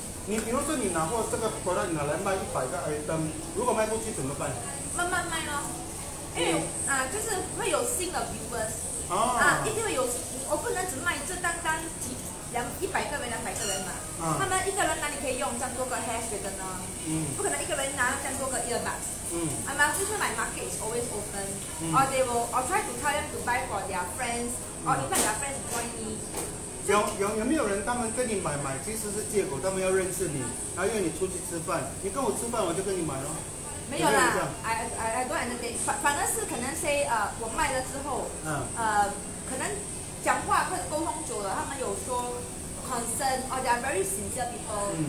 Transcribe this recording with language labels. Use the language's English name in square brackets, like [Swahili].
[Chinese] 你比如说你拿货这个 product 拿来卖100个 item， 如果卖不出去怎么办？慢慢卖咯，因为就是会有新的 viewers， 一定会有，我不能只卖这单几。 100个人嘛，他们一个人哪里可以用这样多个 hash 的呢？不可能一个人拿这样多个 earbuds。嗯，他们就是 [English] my market is always open，or they will or try to tell them to buy for their friends， or invite their friends to join me。 [Chinese] 有没有人他们跟你买其实是借口，他们要认识你，然后约你出去吃饭，你跟我吃饭我就跟你买了。没有啦， [English] I don't understand， [Chinese] 反而是可能 say 我卖了之后，可能。讲话或者沟通久了，他们有说 concern， [English] or they are very sincere people。